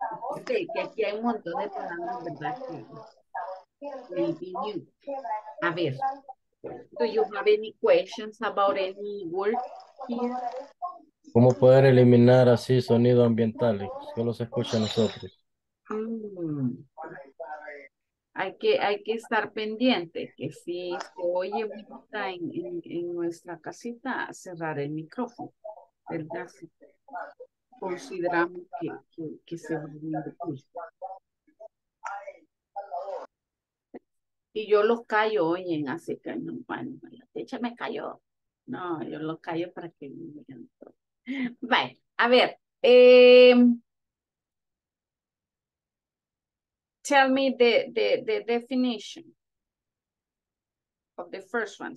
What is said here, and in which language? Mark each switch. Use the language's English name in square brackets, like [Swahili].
[Spanish] Okay, que aquí hay un montón de palabras, ¿verdad? [English] Maybe new. [Spanish] A ver. [English] Do you have any questions about any word here? [Spanish] ¿Cómo poder eliminar así sonidos ambientales? Solo se escucha a nosotros. Hay que estar pendiente que si se oye ahorita en nuestra casita, cerrar el micrófono, ¿verdad? Si consideramos que se va a venir el curso. Y yo los callo, oyen, así que no, bueno, la techa me cayó. No, yo los callo para que me digan todo. Vale, a ver. [English] Tell me the definition of the first one.